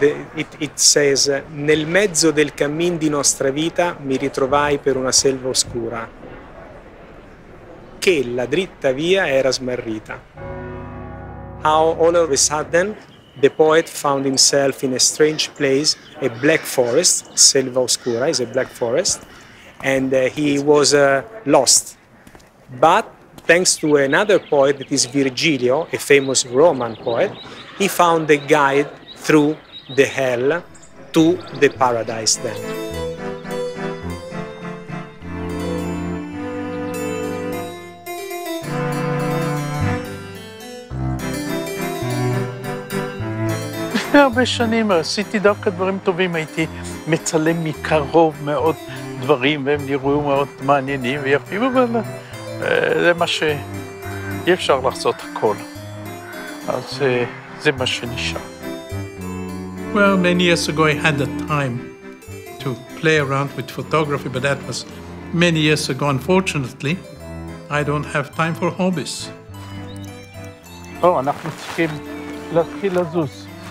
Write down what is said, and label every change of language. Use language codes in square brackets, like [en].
[en] It says, [it] nel mezzo del cammin di nostra vita mi ritrovai per una selva oscura, che la dritta via era smarrita. [en] How all of a sudden the poet found himself in a strange place, a black forest, selva oscura is a black forest, and he was lost. But thanks to another poet, that is Virgilio, a famous Roman poet, he found a guide through the hell to the paradise then. [he] הרבה שנים עשיתי דווקא דברים טובים, הייתי מצלם מקרוב מאוד דברים והם נראו מאוד מעניינים ויפים, אבל זה מה ש... אי אפשר לחזות הכל. אז זה מה שנשאר. [en] Well, many years ago I had the time to play around with photography, but that was many years ago. Unfortunately, I don't have time for hobbies. [he] אנחנו צריכים להתחיל לזוז.